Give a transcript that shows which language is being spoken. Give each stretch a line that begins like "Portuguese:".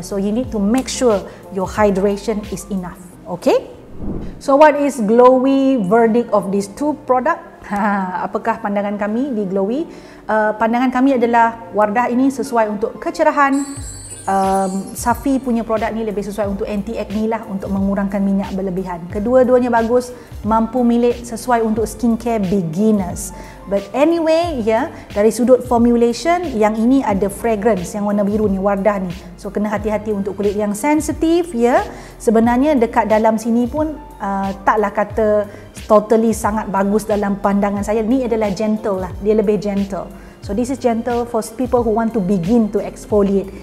English: So you need to make sure your hydration is enough. Okay? So what is Glowy verdict of these two product?
Malay: Apakah pandangan kami di Glowy? Pandangan kami adalah Wardah ini sesuai untuk kecerahan. Safi punya produk ni lebih sesuai untuk anti-acne lah, untuk mengurangkan minyak berlebihan. Kedua-duanya bagus, mampu milik, sesuai untuk skincare beginners.
English: But anyway,
Malay: ya, dari sudut formulation, yang ini ada fragrance yang warna biru ni, Wardah ni. So kena hati-hati untuk kulit yang sensitif, ya. Sebenarnya dekat dalam sini pun taklah kata totally sangat bagus dalam pandangan saya. Ni adalah gentle lah, dia lebih gentle.
English: So this is gentle for people who want to begin to exfoliate.